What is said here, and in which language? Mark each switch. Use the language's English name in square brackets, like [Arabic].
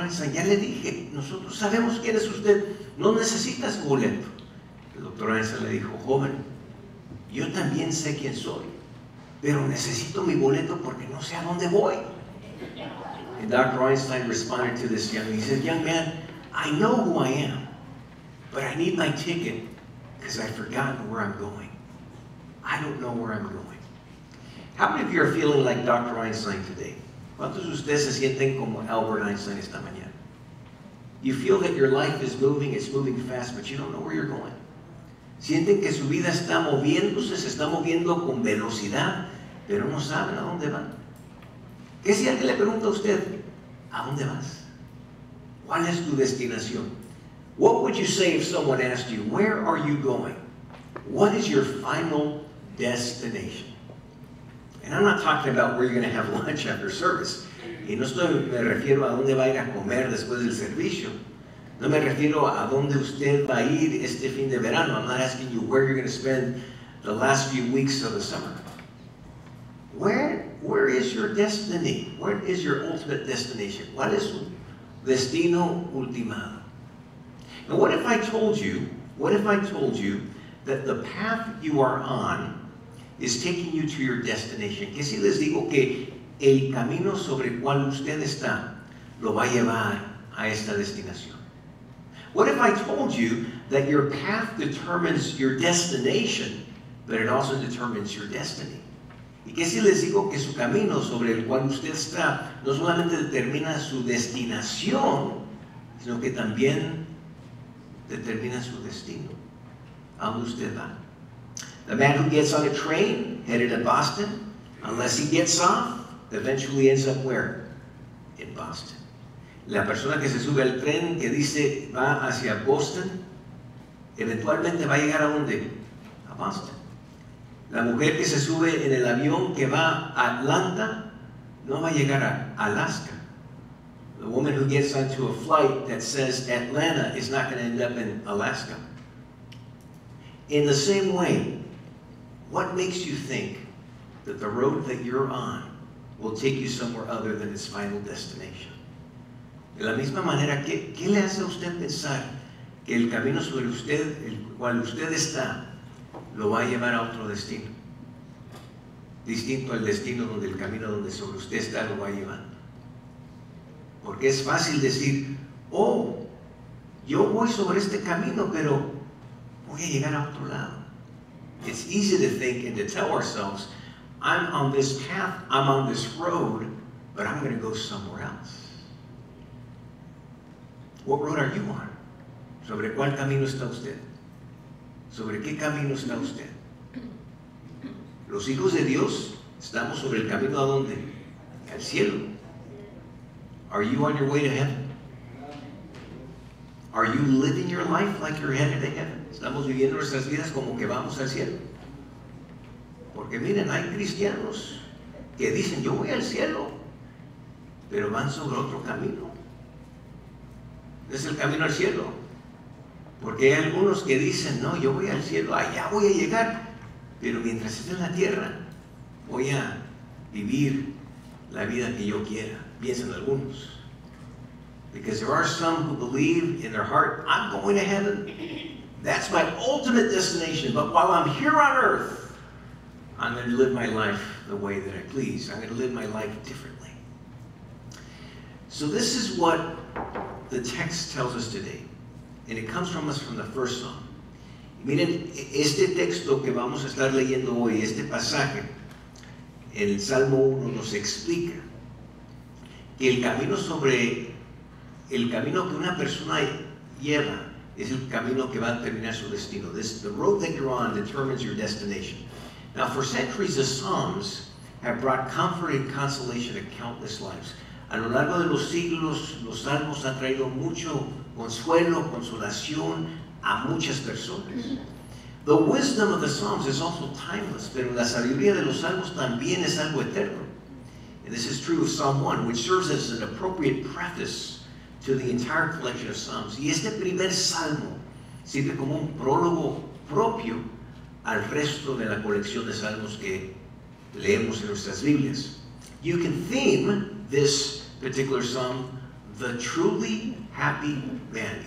[Spanish] Einstein, ya le dije, nosotros sabemos quién es usted. No necesitas boleto." El doctor Einstein le dijo, "Joven, yo también sé quién soy, pero necesito mi boleto porque no sé a dónde voy." [English] And Dr. Einstein responded to this young man. He said, "Young man, I know who I am, but I need my ticket, because I've forgotten where I'm going. I don't know where I'm going." How many of you are feeling like Dr. Einstein today? [Spanish] ¿Cuántos de ustedes se sienten como Albert Einstein esta mañana? [English] You feel that your life is moving, it's moving fast, but you don't know where you're going. [Spanish] Sienten que su vida está moviéndose, se está moviendo con velocidad, pero no saben a dónde van. ¿Qué si alguien le pregunta a usted, a dónde vas? ¿Cuál es tu destinación? [English] What would you say if someone asked you, "Where are you going? What is your final destination?" And I'm not talking about where you're going to have lunch after service. [Spanish] Y no estoy, me refiero a dónde va a ir a comer después del servicio. No me refiero a dónde usted va a ir este fin de verano. [English] I'm not asking you where you're going to spend the last few weeks of the summer. Where is your destiny? What is your ultimate destination? [Spanish] ¿Cuál es su destino ultimado? [English] Now what if I told you that the path you are on is taking you to your destination? [Spanish] ¿Qué si les digo que el camino sobre el cual usted está lo va a llevar a esta destinación? [English] What if I told you that your path determines your destination, but it also determines your destiny? [Spanish] ¿Y qué si les digo que su camino sobre el cual usted está no solamente determina su destinación, sino que también determina su destino, a donde usted va? [English] The man who gets on a train headed to Boston, unless he gets off, eventually ends up where? In Boston. [Spanish] La persona que se sube al tren que dice va hacia Boston, eventualmente va a llegar a donde? A Boston. La mujer que se sube en el avión que va a Atlanta, no va a llegar a Alaska. [English] The woman who gets onto a flight that says Atlanta is not going to end up in Alaska. In the same way, what makes you think that the road that you're on will take you somewhere other than its final destination? [Spanish] De la misma manera, ¿qué le hace a usted pensar que el camino sobre usted, el cual usted está, lo va a llevar a otro destino. Distinto al destino donde el camino donde sobre usted está lo va llevando. Porque es fácil decir, oh, yo voy sobre este camino, pero voy a llegar a otro lado. [English] It's easy to think and to tell ourselves, I'm on this path, I'm on this road, but I'm going to go somewhere else. What road are you on? [Spanish] ¿Sobre cuál camino está usted? ¿Sobre qué camino está usted? Los hijos de Dios estamos sobre el camino ¿a dónde? Al cielo. [English] Are you on your way to heaven? Are you living your life like you're headed to heaven? [Spanish] Estamos viviendo nuestras vidas como que vamos al cielo. Porque miren, hay cristianos que dicen yo voy al cielo, pero van sobre otro camino. Es el camino al cielo. Porque hay algunos que dicen no, yo voy al cielo, allá voy a llegar, pero mientras esté en la tierra voy a vivir la vida que yo quiera, piensan algunos. [English] Because there are some who believe in their heart, I'm going to heaven, that's my ultimate destination, but while I'm here on earth, I'm going to live my life the way that I please. I'm going to live my life differently. So this is what the text tells us today, and it comes from us from the first song. [Spanish] Miren, este texto que vamos a estar leyendo hoy, este pasaje, el Salmo 1 nos explica que el camino que una persona lleva es el camino que va a determinar su destino. [English] This, the road that you're on determines your destination. Now, for centuries, the Psalms have brought comfort and consolation to countless lives. [Spanish] A lo largo de los siglos, los Salmos han traído mucho consuelo, consolación, a muchas personas. [English] The wisdom of the Psalms is also timeless, [Spanish] pero la sabiduría de los Salmos también es algo eterno. [English] And this is true of Psalm 1, which serves as an appropriate preface to the entire collection of Psalms. [Spanish] Y este primer Salmo sirve como un prólogo propio al resto de la colección de Salmos que leemos en nuestras Biblias. [English] You can theme this particular Psalm, The Truly Happy Man.